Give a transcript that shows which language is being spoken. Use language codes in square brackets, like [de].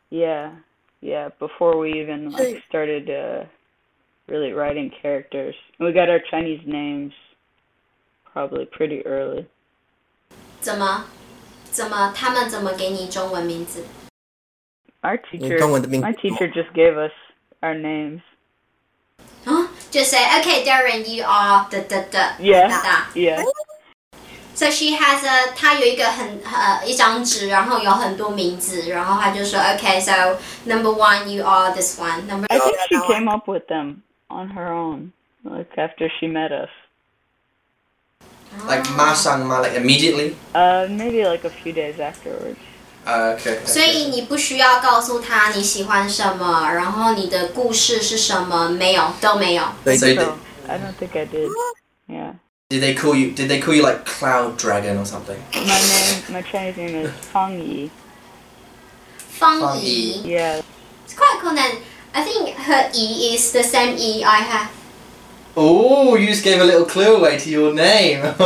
[en] Yeah, before we even like started really writing characters. And we got our Chinese names probably pretty early. [zh] 怎么他们怎么给你中文名字? [en] My teacher just gave us our names. Huh? Just say, okay, Darren, you are the da-da. Yeah. So she has a, [zh] 她有一个很一张纸,然后有很多名字,然后她就说, [en] okay, so number one, you are this one. Number I think she came up with them on her own, like after she met us. Like masang ma, like immediately? Maybe like a few days afterwards. Okay. So [zh] you 你不需要告诉他你喜欢什么，然后你的故事是什么，没有，都没有. [en] I don't think I did. Yeah. Did they call you like Cloud Dragon or something? My Chinese name is Fang Yi. Fang Yi. Yeah. It's quite cool then. I think her Yi is the same Yi I have. Oh, you just gave a little clue away to your name.